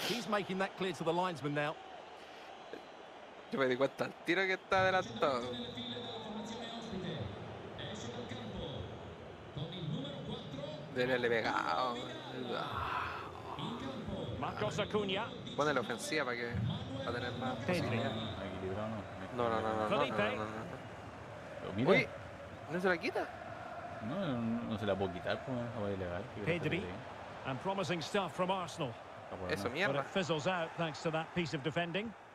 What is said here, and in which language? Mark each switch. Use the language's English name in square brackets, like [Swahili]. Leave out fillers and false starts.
[English] He's making that clear to the linesman now. [Spanish] Yo me di cuenta el tiro que está adelantado. Debería haberle pegado. Marcos Acuña. Pone la ofensiva para que va a tener más posibilidad. No, no, no, no, no, no, no, no, no. Uy. ¿No se la quita? No, no, no se la puedo quitar, pues no voy a llegar. [English] Pedri, and promising stuff from Arsenal. [Spanish] Eso mierda. [English] But it fizzles out thanks to that piece of defending.